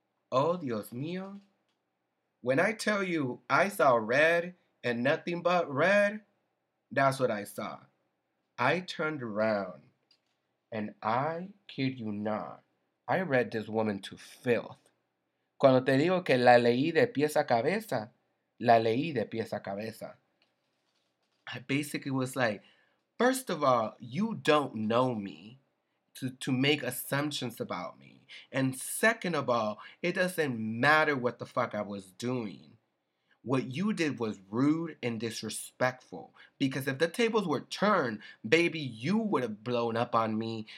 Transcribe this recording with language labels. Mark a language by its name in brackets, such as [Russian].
[Spanish] Oh, Dios mío. [English] When I tell you I saw red and nothing but red, that's what I saw. I turned around, and I kid you not, I read this woman to filth. [Spanish] Cuando te digo que la leí de pies a cabeza, la leí de pies a cabeza. [English] I basically was like, first of all, you don't know me to make assumptions about me. And second of all, it doesn't matter what the fuck I was doing. What you did was rude and disrespectful. Because if the tables were turned, baby, you would have blown up on me.